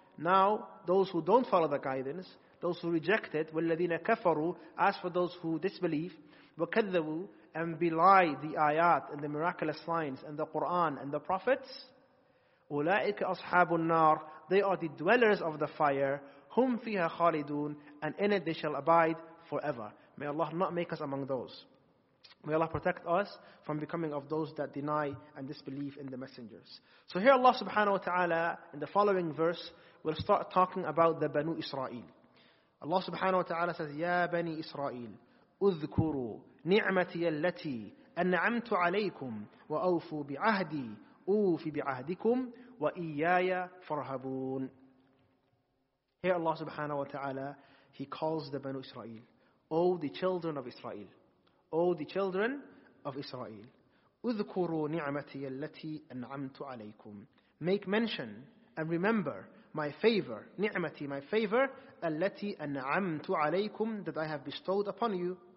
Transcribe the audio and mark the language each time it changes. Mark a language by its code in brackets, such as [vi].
[en] Now, those who don't follow the guidance, those who reject it, [ar] وَالَّذِينَ كَفَرُوا, [en] as for those who disbelieve, وَكَذَّبُوا, and belie the ayat and the miraculous signs and the Quran and the prophets, [ar] أُولَٰئِكَ أَصْحَابُ النَّارِ, [en] they are the dwellers of the fire, [ar] هُمْ فِيهَا خَالِدُونَ, [en] and in it they shall abide forever. May Allah not make us among those. May Allah protect us from becoming of those that deny and disbelieve in the messengers. So here Allah subhanahu wa ta'ala, in the following verse, will start talking about the Banu Israel. Allah subhanahu wa ta'ala says, Ya Bani Israel, [ar] اذكروا نعمتي التي أنعمت عليكم وأوفوا بعهدي أوف بعهدكم وإياي فارهبون. [en] Here Allah subhanahu wa ta'ala, He calls the Banu Israel, O the children of Israel, O the children of Israel, [ar] اذكروا نعمتي التي أنعمت عليكم. [en] Make mention and remember my favor, نعمتي, my favor, [ar] التي أنعمت عليكم, [en] that I have bestowed upon you.